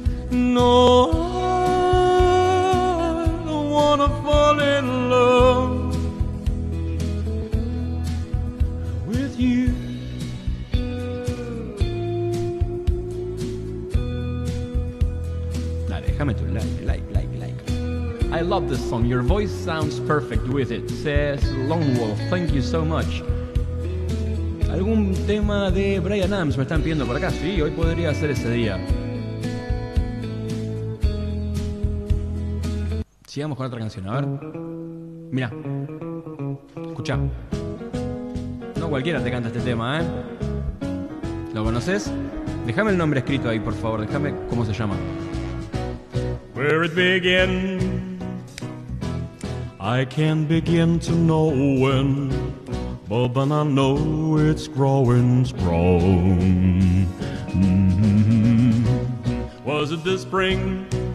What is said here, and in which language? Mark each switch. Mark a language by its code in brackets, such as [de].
[en] No, I don't wanna fall in love with you. [es] Now, déjame tu like, like, like. [en] I love this song, your voice sounds perfect with it, says Lone Wolf, thank you so much. [es] ¿Algún tema de Brian Adams me están pidiendo por acá? Sí, hoy podría ser ese día. Sigamos con otra canción, a ver. Mira, escucha. No cualquiera te canta este tema, ¿eh? ¿Lo conoces? Déjame el nombre escrito ahí, por favor, déjame cómo se llama. [en] Where it began. I can't begin to know when, but then I know it's growing strong. Was it the spring?